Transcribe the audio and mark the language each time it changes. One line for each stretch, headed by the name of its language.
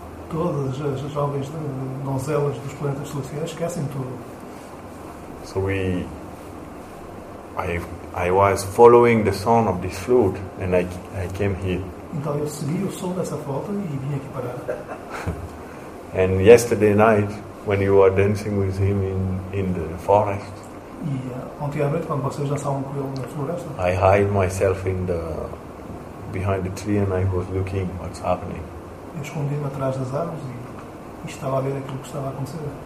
Portuguese: Todas as jovens donzelas dos planetas celestiais esquecem tudo.
English: So I was following the sound of this flute and I came here.
Portuguese: Então eu segui o som dessa flauta e vim aqui parar.
English: And yesterday night when you were dancing with him in the forest,
Portuguese: e ontem à noite quando vocês dançavam com ele na floresta,
English: I hide myself in the behind the tree and I was looking what's happening.
Portuguese: Eu escondi-me atrás das árvores e estava a ver aquilo que estava a acontecer.